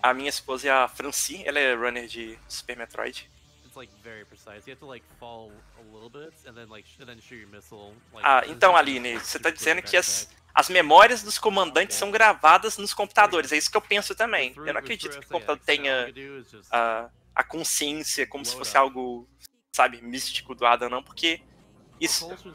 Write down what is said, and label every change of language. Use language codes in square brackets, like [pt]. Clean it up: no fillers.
[pt] A minha esposa é a Franci, ela é runner de Super Metroid. [en] It's like very precise. You have to like fall a little bit and then shoot your missile. Like, [pt] então Aline, você tá dizendo que as memórias dos comandantes são gravadas nos computadores, é isso que eu penso também. Eu não acredito que o computador tenha a consciência como se fosse algo, sabe, místico do Adam, não, porque isso...